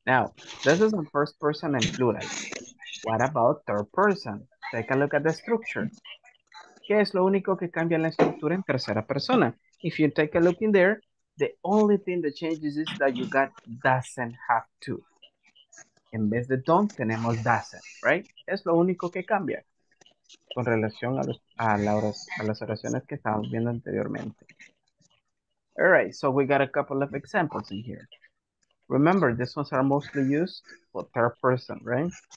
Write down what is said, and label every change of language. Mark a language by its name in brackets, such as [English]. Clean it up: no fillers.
[English] Now, this is in first person and plural. What about third person? Take a look at the structure. [Spanish] ¿Qué es lo único que cambia la estructura en tercera persona? [English] If you take a look in there, the only thing that changes is that you got doesn't have to. [Spanish] En vez de don't, tenemos doesn't, right? Es lo único que cambia con relación a las oraciones que estábamos viendo anteriormente. [English] All right, so we got a couple of examples in here. Remember, these ones are mostly used for third person, right?